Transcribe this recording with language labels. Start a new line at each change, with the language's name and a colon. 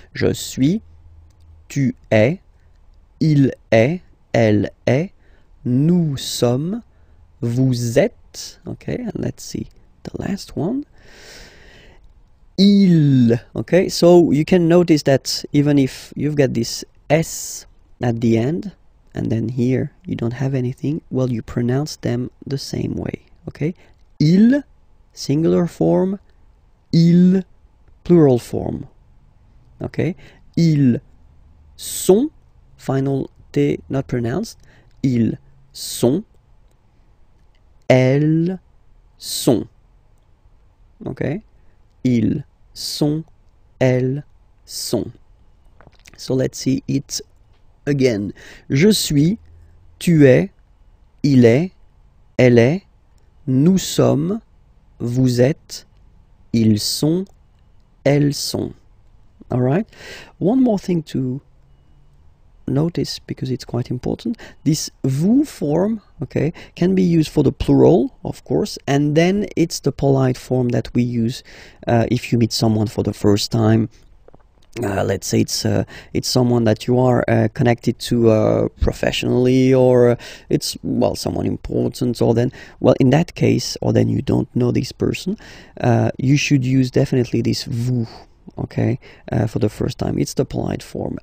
French: Je suis, tu es, il est, elle est, nous sommes, vous êtes.
English: Okay, and let's see the last one. Il. Okay, so you can notice that even if you've got this S at the end, and then here you don't have anything, well, you pronounce them the same way. Okay, il, singular form, il. Plural form, okay?
French: Ils sont,
English: final T not pronounced.
French: Ils sont, elles sont, okay? Ils sont, elles sont.
English: So let's see it again.
French: Je suis, tu es, il est, elle est, nous sommes, vous êtes, ils sont, elles sont.
English: All right. One more thing to notice, because it's quite important. This vous form, okay, can be used for the plural, of course, and then it's the polite form that we use if you meet someone for the first time. Let's say it's someone that you are connected to professionally, or it's, well, someone important, or then, well, in that case, or then you don't know this person, you should use definitely this vous, okay, for the first time. It's the polite form.